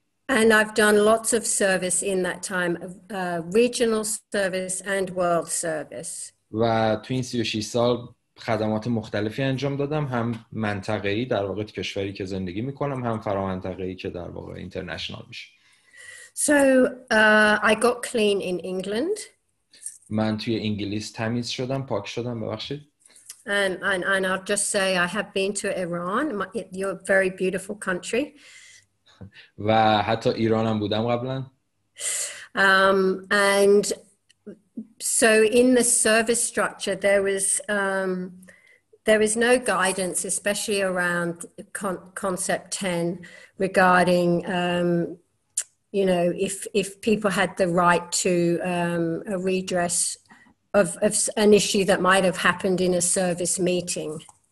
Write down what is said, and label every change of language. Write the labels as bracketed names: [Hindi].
[English] and I've done lots of service in that time, regional service and world service. [Persian] و توی این 36 سال خدمات مختلفی انجام دادم، هم منطقه‌ای در واقع کشوری که زندگی می‌کنم، هم فرامنطقه‌ای که در واقع اینترنشنال میشه. [English] So I got clean in England. [Persian] من توی انگلیس تمیز شدم، پاک شدم، ببخشید. [English] And I'll just say I have been to Iran. Your very beautiful country. [Persian] و حتی ایران هم بودم قبلا. [English] And so in the service structure there was no guidance especially around concept 10 regarding you know if people had the right to a redress of an issue that might have happened in a service meeting.